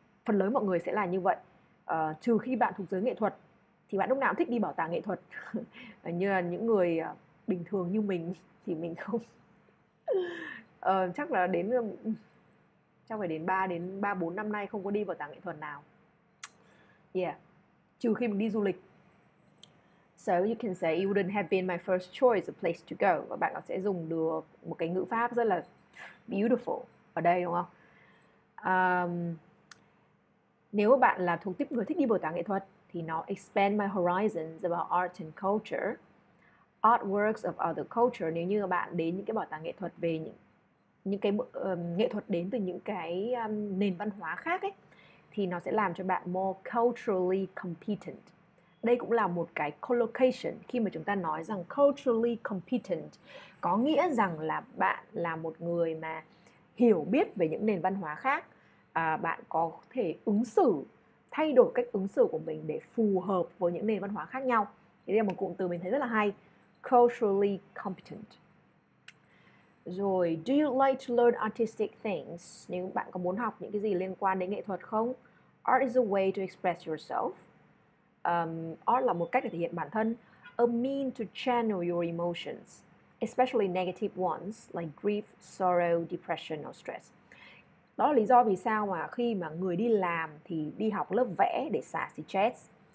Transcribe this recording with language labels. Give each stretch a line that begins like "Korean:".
Vietnamese: Phần lớn mọi người sẽ là như vậy. Trừ khi bạn thuộc giới nghệ thuật, thì bạn lúc nào cũng thích đi bảo tàng nghệ thuật. Như là những người bình thường như mình thì mình không. Chắc là đến chắc phải đến 3 đến 3 4 năm nay không có đi bảo tàng nghệ thuật nào. Yeah. Trừ khi mình đi du lịch.
English: So you can say it wouldn't have been my first choice of place to go.
Vietnamese: Và bạn sẽ dùng được một cái ngữ pháp rất là beautiful ở đây đúng không? Nếu bạn là thuộc tiếp người thích đi bảo tàng nghệ thuật thì nó
English: expand my horizons about art and culture. Artworks of other culture.
Vietnamese: Nếu như bạn đến những cái bảo tàng nghệ thuật về những cái nghệ thuật đến từ những cái nền văn hóa khác ấy, thì nó sẽ làm cho bạn
English: more culturally competent.
Vietnamese: Đây cũng là một cái collocation khi mà chúng ta nói rằng culturally competent có nghĩa rằng là bạn là một người mà hiểu biết về những nền văn hóa khác, bạn có thể ứng xử, thay đổi cách ứng xử của mình để phù hợp với những nền văn hóa khác nhau. Thì đây là một cụm từ mình thấy rất là hay, culturally competent. Rồi,
English: do you like to learn artistic things?
Vietnamese: Nếu bạn có muốn học những cái gì liên quan đến nghệ thuật không?
English: Art is a way to express yourself.
Vietnamese: Art là một cách để thể hiện bản thân.
English: A means to channel your emotions, especially negative ones like grief, sorrow, depression or stress.
Vietnamese: Đó là lý do vì sao mà khi mà người đi làm thì đi học lớp vẽ để xả stress.